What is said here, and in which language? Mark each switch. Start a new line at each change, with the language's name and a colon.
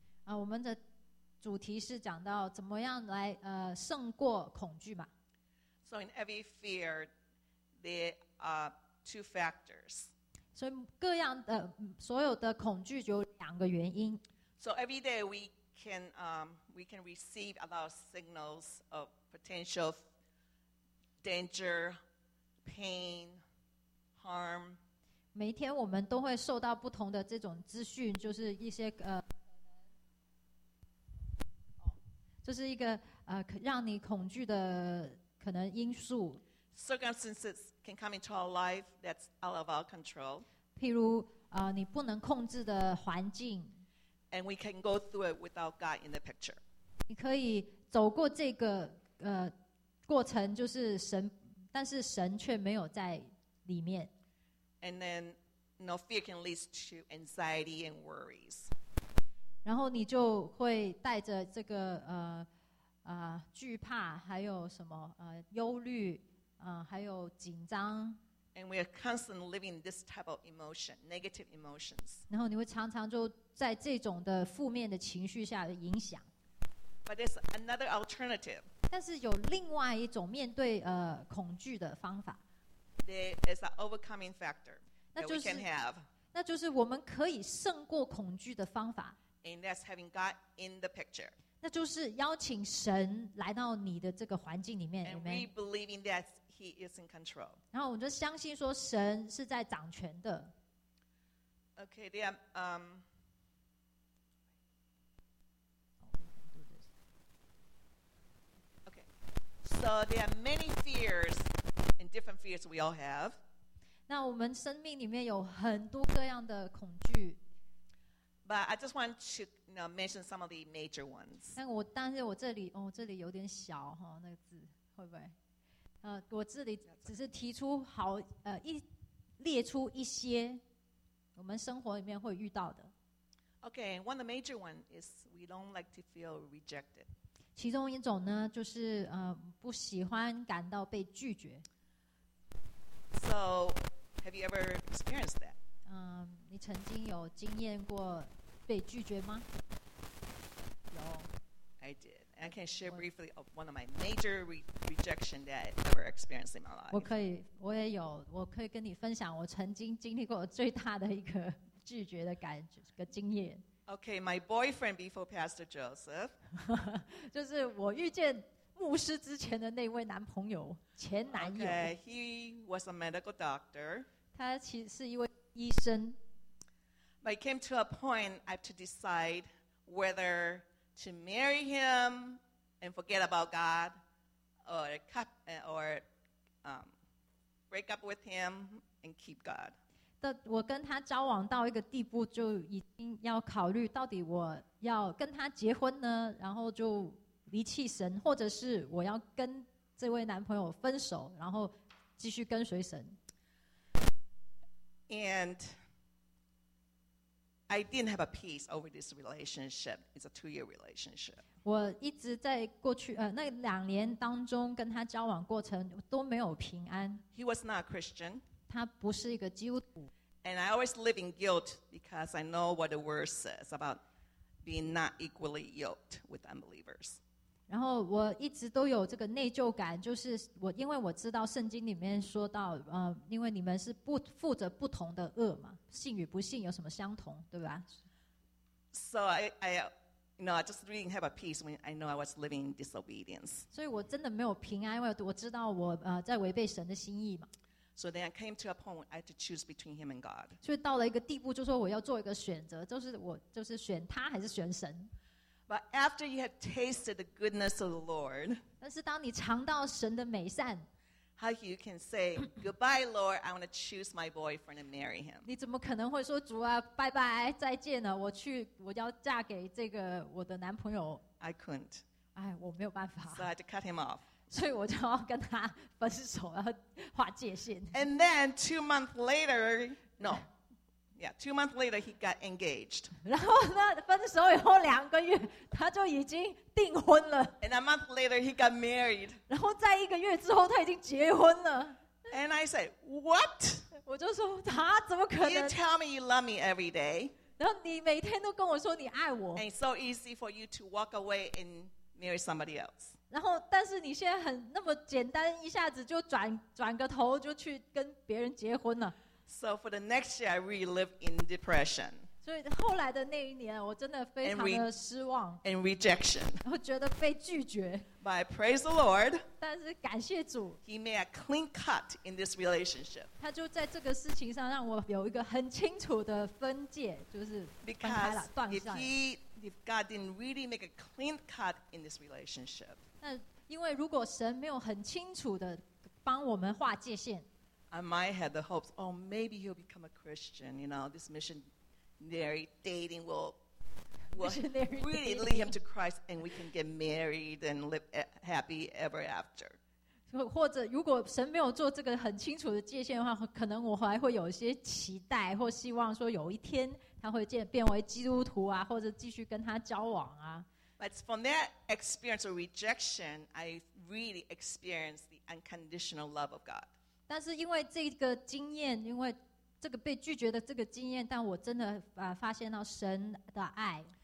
Chinese: 我们的主题是讲到怎么样来胜过恐惧嘛。
English: So in every fear, there are two factors.
Chinese: 所以各样的所有的恐惧有两个原因。
English: So every day we can receive a lot of signals of potential danger, pain, harm.
Chinese: 每天我们都会受到不同的这种资讯，就是一些就是一个让你恐惧的可能因素。
English: Circumstances can come into our life that's out of our control.
Chinese: 譬如你不能控制的环境。
English: And we can go through it without God in the picture.
Chinese: 你可以走过这个过程，就是神，但是神却没有在里面。
English: And then, you know, fear can lead to anxiety and worries.
Chinese: 然后你就会带着这个惧怕，还有什么忧虑还有紧张。
English: And we are constantly living this type of emotion, negative emotions.
Chinese: 然后你会常常就在这种的负面的情绪下的影响。
English: But there's another alternative.
Chinese: 但是有另外一种面对恐惧的方法。
English: There is an overcoming factor that we can have.
Chinese: 那就是我们可以胜过恐惧的方法。
English: And that's having God in the picture.
Chinese: 那就是邀请神来到你的这个环境里面。
English: And we believe in that. He is in control.
Chinese: 然后我就相信说神是在掌权的。
English: Okay, there are, okay. So there are many fears and different fears we all have.
Chinese: 那我们生命里面有很多各样的恐惧。
English: But I just want to, you know, mention some of the major ones.
Chinese: 但是我这里，这里有点小，那个字，会不会？我这里只是提出好列出一些我们生活里面会遇到的。
English: Okay, one of the major ones is we don't like to feel rejected.
Chinese: 其中一种呢，就是不喜欢感到被拒绝。
English: So, have you ever experienced that?
Chinese: 你曾经有经验过被拒绝吗？有。
English: I did. I can share briefly of one of my major rejection that I ever experienced in my life.
Chinese: 我可以跟你分享我曾经经历过最大的一个拒绝的感觉个经验。
English: Okay, my boyfriend before Pastor Joseph.
Chinese: 就是我遇见牧师之前的那位男朋友，前男友。
English: Okay, he was a medical doctor.
Chinese: 他其实是一位医生。
English: But it came to a point I have to decide whether. To marry him and forget about God, or break up with him and keep God.
Chinese: 我跟他交往到一个地步，就已经要考虑到底我要跟他结婚呢，然后就离弃神，或者是我要跟这位男朋友分手，然后继续跟随神。
English: And. I didn't have a peace over this relationship. It's a two-year relationship.
Chinese: 我一直在过去那两年当中跟他交往过程都没有平安。
English: He was not a Christian.
Chinese: 他不是一个基督徒。
English: And I always live in guilt because I know what the word says about being not equally yoked with unbelievers.
Chinese: 然后我一直都有这个内疚感，就是我因为我知道圣经里面说到，因为你们是不负责不同的恶嘛。信与不信有什么相同，对吧
English: ？So I, you know, I just didn't have a peace when I know I was living in disobedience.
Chinese: 所以我真的没有平安，因为我知道我在违背神的心意嘛。
English: So then I came to a point where I had to choose between him and God.
Chinese: 所以到了一个地步，就说我要做一个选择，就是我就是选他还是选神
English: ？But after you have tasted the goodness of the Lord,
Chinese: 但是当你尝到神的美善。
English: How you can say goodbye, Lord? I want to choose my boyfriend and marry him.
Chinese: 你怎么可能会说主啊，拜拜，再见了，我去，我要嫁给这个我的男朋友。
English: I couldn't.
Chinese: 哎，我没有办法。
English: So I had to cut him off.
Chinese: 所以我就要跟他分手，要划界限。
English: And then 2 months later, no, yeah, 2 months later he got engaged.
Chinese: 然后呢，分手以后两个月，他就已经。订婚了
English: And a month later, he got married.
Chinese: 然后在一个月之后，他已经结婚了。
English: And I said, "What?"
Chinese: 我就说他怎么可能
English: ？You tell me you love me every day.
Chinese: 然后你每天都跟我说你爱我。
English: And it's so easy for you to walk away and marry somebody else.
Chinese: 然后，但是你现在很那么简单，一下子就转个头就去跟别人结婚了。
English: So for the next year, I really live in depression.
Chinese: 所以后来的那一年，我真的非常的失望
English: ，and rejection，
Chinese: 然后觉得被拒绝。
English: But I praise the Lord，
Chinese: 但是感谢主
English: ，He made a clean cut in this relationship。
Chinese: 他就在这个事情上让我有一个很清楚的分界，就是分开了，断开了。
English: Because if God didn't really make a clean cut in this relationship，
Chinese: 那因为如果神没有很清楚的帮我们划界限
English: I might have the hopes, oh, maybe he'll become a Christian. You know, this missionary dating will really lead him to Christ, and we can get married and live happy ever after.
Chinese: 或者如果神没有做这个很清楚的界限的话，可能我还会有一些期待或希望，说有一天他会变为基督徒啊，或者继续跟他交往啊。
English: But from that experience of rejection, I really experienced the unconditional love of God.
Chinese: 但是因为这个经验，因为这个被拒绝的这个经验，但我真的发现到神的爱。